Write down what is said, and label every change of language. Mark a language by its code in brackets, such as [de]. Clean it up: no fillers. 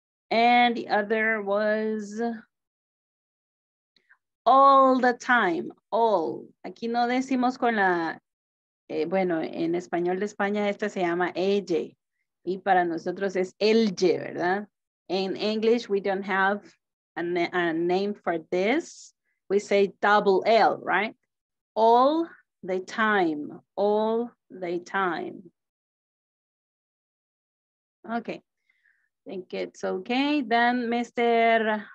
[en] And the other was all the time, all. [es] Aquí no decimos con la... bueno, en español de España esta se llama ella y para nosotros es elle, ¿verdad? [en] In English, we don't have a name for this. We say double L, right? All the time, all the time. Okay, I think it's okay. Then Mr.